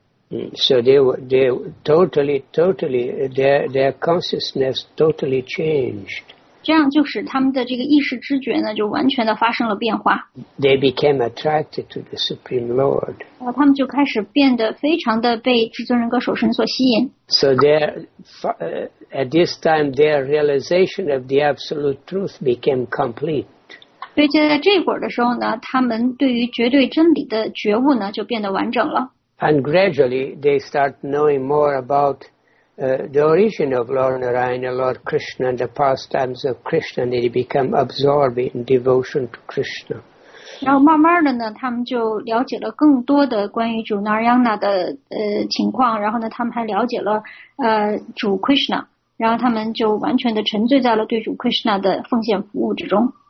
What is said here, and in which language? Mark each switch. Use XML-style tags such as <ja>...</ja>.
<en>So their consciousness totally changed.</en> <zh>这样就使他们的这个意识知觉呢，就完全的发生了变化。</zh> <en>They became attracted to the Supreme Lord.</en> <zh>然后他们就开始变得非常的被至尊人格守神所吸引。</zh> <en>So at this time, their realization of the absolute truth became complete.</en> <zh>所以就在这会儿的时候呢，他们对于绝对真理的觉悟呢，就变得完整了。</zh> <en>And gradually they start knowing more about the origin of Lord Narayana, Lord Krishna, and the pastimes of Krishna, and they become absorbed in devotion to Krishna.</en> <zh>然后慢慢的呢，他们就了解了更多的关于主 Narayana 的情况，然后呢，他们还了解了主 Krishna， 然后他们就完全的沉醉在了对主 Krishna 的奉献服务之中。</zh>